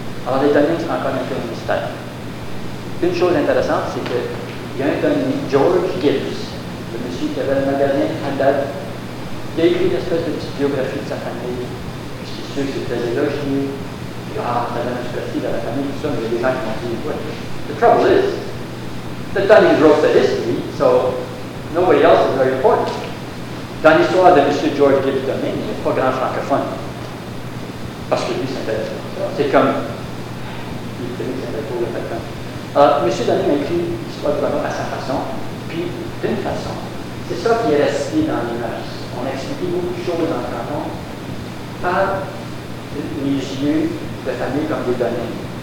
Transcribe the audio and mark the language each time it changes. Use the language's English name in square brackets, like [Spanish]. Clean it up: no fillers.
[French] Alors, les données sont encore un peu un mystère. Une chose intéressante, c'est qu'il y a un donné, George Gibbs, le monsieur qui avait le magasin Haddad, il a écrit une espèce de petite biographie de sa famille. Je suis sûr que c'est très élogieux. Puis, ah, ça donne un souci dans la famille, tout ça, mais il y a des gens qui m'ont dit, ouais. [English] The trouble is, the Dunnings wrote the history, so nobody else is very important. [French] Dans l'histoire de M. George Gibbs Dunning, il n'y a pas grand francophone. Parce que lui, c'est intéressant. C'est comme. Il était un peu le patron. Alors, M. Dunning a écrit l'histoire de l'amour à sa façon, puis d'une façon. C'est ça qui est resté dans l'image. On a expliqué beaucoup de choses dans le canton par les yeux de familles comme des Dunnings.